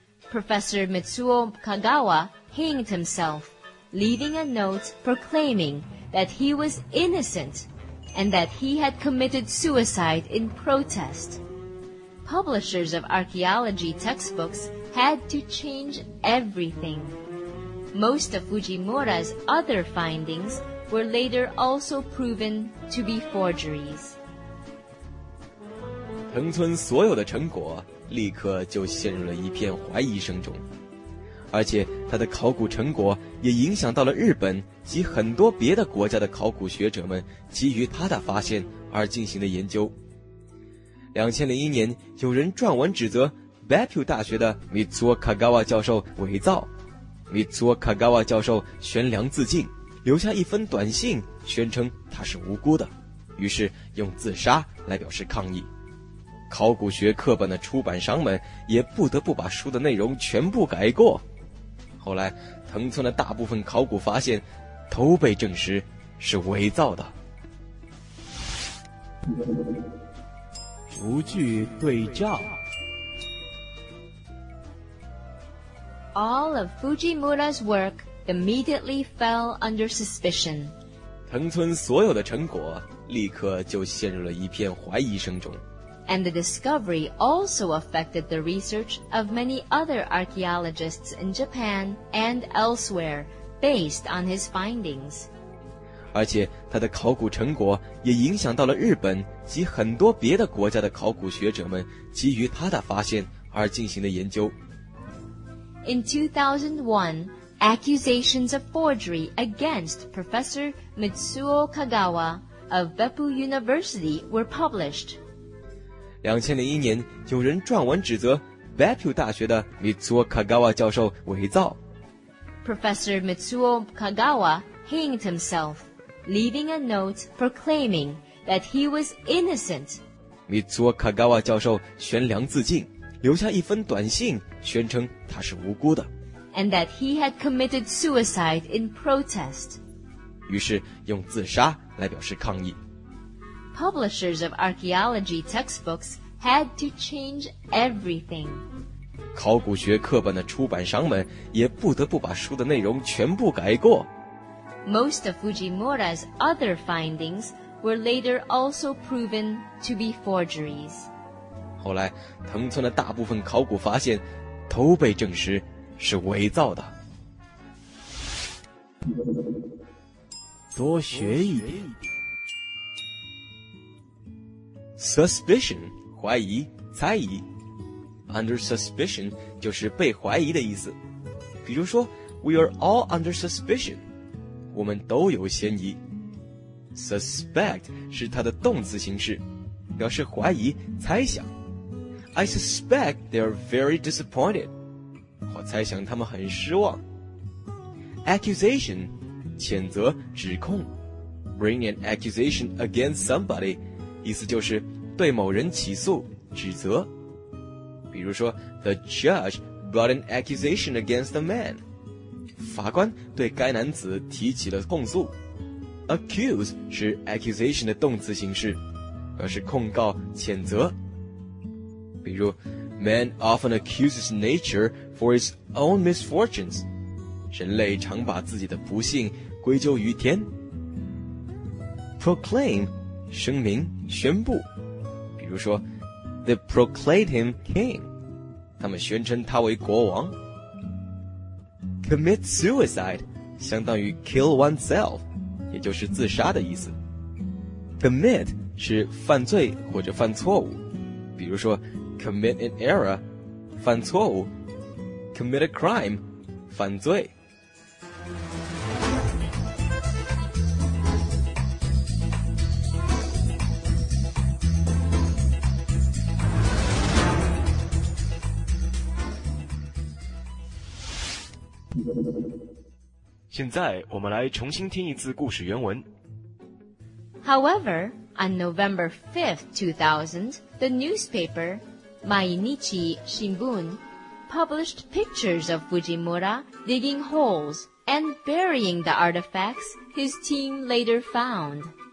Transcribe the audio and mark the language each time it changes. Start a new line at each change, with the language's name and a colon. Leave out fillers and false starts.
English: Professor Mitsuo Kagawa hanged himself, leaving a note proclaiming that he was innocentand that he had committed suicide in protest. Publishers of archaeology textbooks had to change everything. Most of Fujimura's other findings were later also proven to be forgeries.
Chinese: 藤村所有的成果立刻就陷入了一片怀疑声中，而且他的考古成果也影响到了日本及很多别的国家的考古学者们基于他的发现而进行的研究。 2001年有人撰文指责 Beppu 大学的 Mitsuo Kagawa 教授伪造， Mitsuo Kagawa 教授悬梁自尽，留下一封短信宣称他是无辜的，于是用自杀来表示抗议。考古学课本的出版商们也不得不把书的内容全部改过。后来藤村的大部分考古发现都被证实是伪造的。逐句对照。
English: All of Fujimura's work immediately fell under suspicion.
Chinese: 藤村所有的成果立刻就陷入了一片怀疑声中。
English: And the discovery also affected the research of many other archaeologists in Japan and elsewhere based on his findings.
Chinese: 而且他的考古成果也影响到了日本及很多别的国家的考古学者们基于他的发现而进行的研究。
English: In 2001, accusations of forgery against Professor Mitsuo Kagawa of Beppu University were published.
Chinese: 2001年有人撰文指责 Beppu 大学的 Mitsuo Kagawa 教授伪造。
English: Professor Mitsuo Kagawa hanged himself, leaving a note proclaiming that he was innocent.
Chinese: Mitsuo Kagawa 教授悬梁自尽，留下一封短信宣称他是无辜的。
English: And that he had committed suicide in protest.
Chinese: 于是用自杀来表示抗议。
English: Publishers of archaeology textbooks had to change everything.
Chinese: 考古学课本的出版商们也不得不把书的内容全部改过。
English: most of Fujimura's other findings were later also proven to be forgeries.
Chinese: 后来，藤村的大部分考古发现都被证实是伪造的。多学一点。 Suspicion, 怀疑、猜疑。Under suspicion 就是被怀疑的意思。比如说
English: ,We are all under suspicion.
Chinese: 我们都有嫌疑。 Suspect 是它的动词形式，表示怀疑、猜想。
English: I suspect they are very disappointed.
Chinese: 我猜想他们很失望。 Accusation, 谴责、指控。
English: Bring an accusation against somebody,
Chinese: 意思就是对某人起诉、指责。比如说
English: ,The judge brought an accusation against the man.
Chinese: 法官对该男子提起了控诉。Accuse 是 accusation 的动词形式，而是控告、谴责。比如
English: ,Man often accuses nature for his own misfortunes.
Chinese: 人类常把自己的不幸归咎于天。Proclaim, 声明、宣布。比如说
English: ,They proclaimed him king.
Chinese: 他们宣称他为国王。
English: Commit suicide,
Chinese: 相当于
English: kill oneself.
Chinese: 也就是自杀的意思。 Commit 是犯罪或者犯错误，比如说
English: commit an error
Chinese: 犯错误，
English: commit a crime
Chinese: 犯罪。现在我们来重新听一次故事原文。
English: However, on November 5th, 2000, the newspaper Mainichi Shimbun published pictures of Fujimura digging holes and burying the artifacts his team later found.